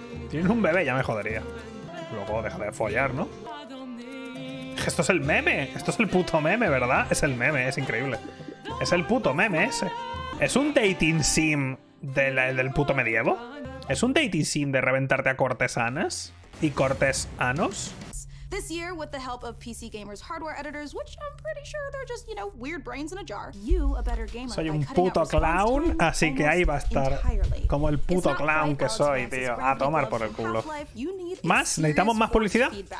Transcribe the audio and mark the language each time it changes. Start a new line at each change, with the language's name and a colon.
Spanish: Tienen un bebé, ya me jodería. Luego deja de follar, ¿no? Esto es el meme, esto es el puto meme, ¿verdad? Es el meme, es increíble. Es el puto meme ese. ¿Es un dating sim del puto medievo? ¿Es un dating sim de reventarte a cortesanas y cortesanos?
English: This year, with the help of PC Gamer's hardware editors, which I'm pretty sure they're just, you know, weird brains in a jar. You, a better gamer.
Spanish: Soy un puto clown, así que ahí va a estar como el puto clown que soy, tío. A tomar por el culo. ¿Más? ¿Necesitamos más publicidad?